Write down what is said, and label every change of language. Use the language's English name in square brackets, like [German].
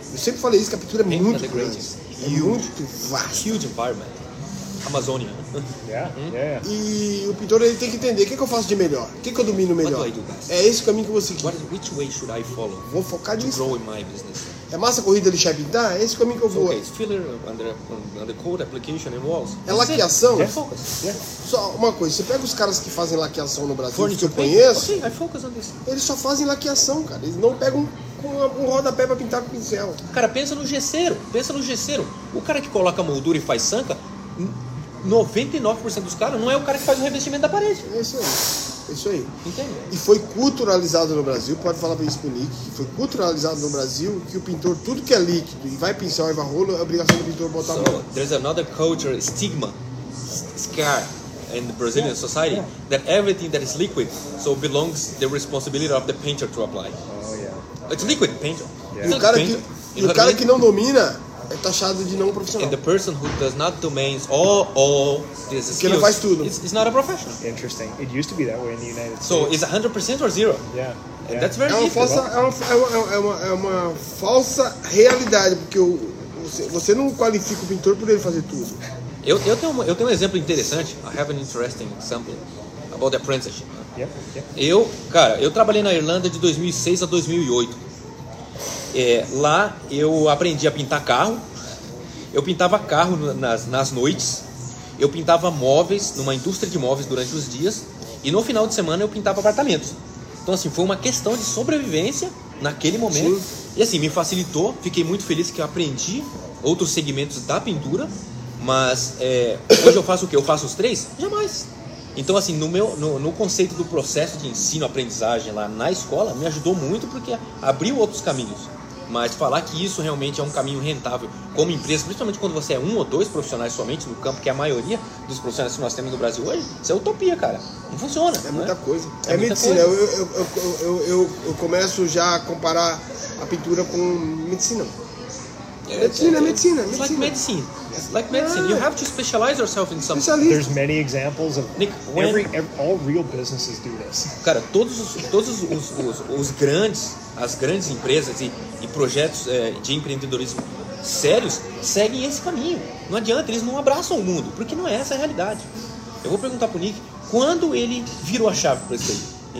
[Portuguese] Eu sempre falei isso, que a pintura é muito grande. E muito vasto. [English] Huge environment. Amazônia. Yeah. [Portuguese] E o pintor ele tem que entender o que eu faço de melhor, o que eu domino melhor. Do é esse o caminho que eu vou seguir. [English] Which way should I follow? [Portuguese] Vou focar nisso. [English] Grow in my business. [Portuguese] É massa corrida lixar e pintar? É esse o caminho que eu vou. [English] Okay, it's filler under coat application and walls. [Portuguese] É laqueação? [English] Yeah, focus. Yeah. [Portuguese] Só uma coisa, você pega os caras que fazem laqueação no Brasil, que eu conheço, [English] okay, I focus on this. [Portuguese] Eles só fazem laqueação, cara. Eles não pegam com um rodapé pra pintar com pincel. Cara, pensa no gesseiro. O cara que coloca moldura e faz sanca, 99% dos caras não é o cara que faz o revestimento da parede. É isso aí. Entendeu? E foi culturalizado no Brasil, pode falar pra isso pro Nick, que foi culturalizado no Brasil que o pintor, tudo que é líquido e vai pincel e vai rolo, é obrigação do pintor botar a mão. [English] There's another culture stigma, scar. In the Brazilian society, that everything that is liquid, so belongs the responsibility of the painter to apply. Oh yeah. It's liquid painter. Yeah. [Portuguese] O cara que não domina é taxado de não profissional. [English] And the person who does not domain all this skills, [Portuguese] que não faz tudo. [English] It's not a professional. Interesting. It used to be that way in the United States. So it's 100% or zero. Yeah. And that's very difficult. [Portuguese] É uma falsa realidade, porque você não qualifica o pintor por ele fazer tudo. Eu tenho um exemplo interessante. I have an interesting example about the apprenticeship. Yeah, yeah. Eu trabalhei na Irlanda de 2006 a 2008. Lá eu aprendi a pintar carro. Eu pintava carro nas noites. Eu pintava móveis numa indústria de móveis durante os dias. E no final de semana eu pintava apartamentos. Então assim, foi uma questão de sobrevivência naquele momento. Sim. E assim, me facilitou. Fiquei muito feliz que eu aprendi outros segmentos da pintura. Mas hoje eu faço o quê? Eu faço os três? Jamais. Então, assim, no conceito do processo de ensino-aprendizagem lá na escola, me ajudou muito porque abriu outros caminhos. Mas falar que isso realmente é um caminho rentável como empresa, principalmente quando você é um ou dois profissionais somente no campo, que é a maioria dos profissionais que nós temos no Brasil hoje, isso é utopia, cara. Não funciona. É muita coisa. É medicina. Eu começo já a comparar a pintura com medicina. Medicina. [English] Like medicine, you have to specialize yourself in something. There's many examples of Nick, all real businesses do this. [Portuguese] Cara, todos os grandes, as grandes empresas e projetos de empreendedorismo sérios seguem esse caminho. Não adianta, eles não abraçam o mundo, porque não é essa a realidade. Eu vou perguntar pro Nick, quando ele virou a chave para isso aí?